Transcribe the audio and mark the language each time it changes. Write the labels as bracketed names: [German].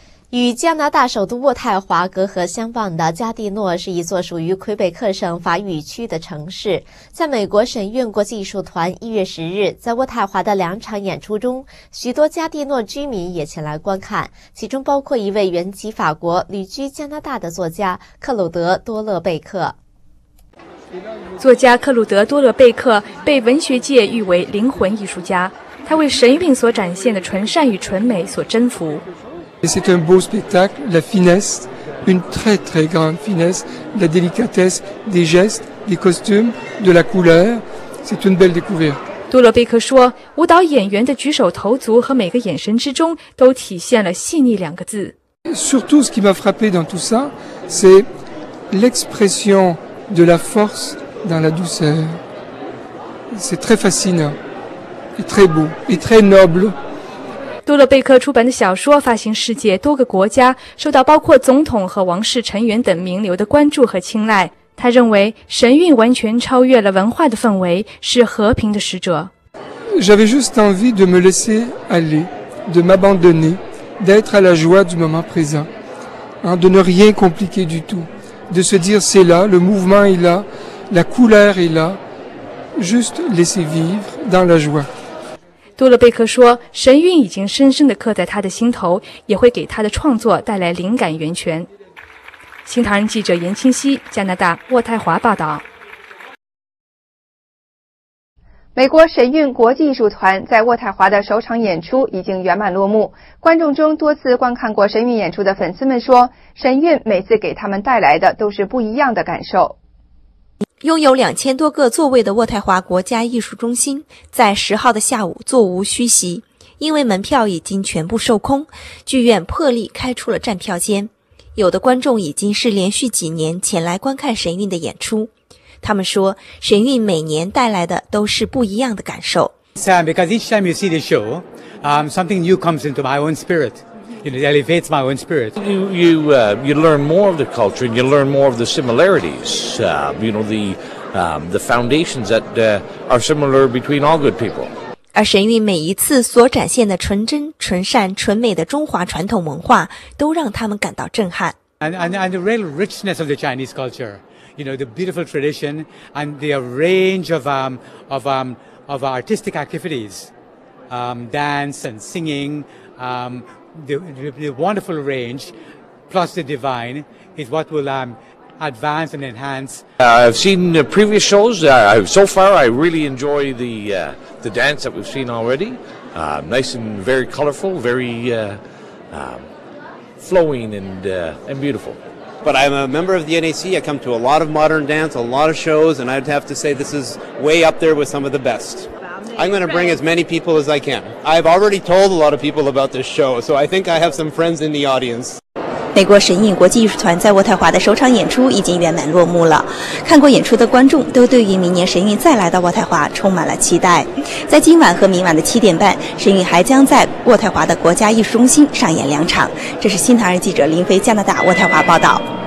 [Chinese] 与加拿大首都渥太华隔河相望的加蒂诺是一座属于魁北克省法语区的城市，在美国神韵国际艺术团1月10日在渥太华的两场演出中，许多加蒂诺居民也前来观看，其中包括一位原籍法国、旅居加拿大的作家克鲁德·多勒贝克。作家克鲁德·多勒贝克被文学界誉为灵魂艺术家，他为神韵所展现的纯善与纯美所征服。 [French] C'est un beau spectacle, la finesse, une très très grande finesse, la délicatesse des gestes, des costumes, de la couleur. C'est une belle découverte. [Chinese] 多洛贝克说，舞蹈演员的举手投足和每个眼神之中都体现了细腻两个字。 [French] Surtout, ce qui m'a frappé dans tout ça, c'est l'expression de la force dans la douceur. C'est très fascinant, et très beau, et très noble. [Chinese] 多勒贝克出版的小说发行世界多个国家，受到包括总统和王室成员等名流的关注和青睐。他认为神韵完全超越了文化的氛围，是和平的使者。 J'avais juste envie de me laisser aller, de m'abandonner, d'être à la joie du moment présent, de ne rien compliquer du tout, de se dire c'est là, le mouvement est là, la couleur est là, juste laisser vivre dans la joie. 多勒贝克说，神韵已经深深地刻在他的心头，也会给他的创作带来灵感源泉。新唐人记者严清溪，加拿大渥太华报道。美国神韵国际艺术团在渥太华的首场演出已经圆满落幕，观众中多次观看过神韵演出的粉丝们说，神韵每次给他们带来的都是不一样的感受。拥有2000多个座位的渥太华国家艺术中心在10号的下午座无虚席，因为门票已经全部售空，剧院破例开出了站票间。有的观众已经是连续几年前来观看神韵的演出，他们说神韵每年带来的都是不一样的感受。 [English] Because each time you see the show, something new comes into my own spirit. It elevates my own spirit. You learn more of the culture and you learn more of the similarities. The foundations that are similar between all good people. [Chinese] 而神韵每一次所展现的纯真、纯善、纯美的中华传统文化，都让他们感到震撼。 [English] And the real richness of the Chinese culture, the beautiful tradition and the range of artistic activities, dance and singing. The wonderful range plus the divine is what will advance and enhance. I've seen the previous shows. So far, I really enjoy the dance that we've seen already. Nice and very colorful, very flowing and beautiful. But I'm a member of the NAC. I come to a lot of modern dance, a lot of shows, and I'd have to say this is way up there with some of the best. I'm going to bring as many people as I can. I've already told a lot of people about this show, so I think I have some friends in the audience. [Chinese] 美国神韵国际艺术团在渥太华的首场演出已经圆满落幕了。看过演出的观众都对于明年神韵再来到渥太华充满了期待。在今晚和明晚的7点半，神韵还将在渥太华的国家艺术中心上演两场。这是新唐人记者林飞加拿大渥太华报道。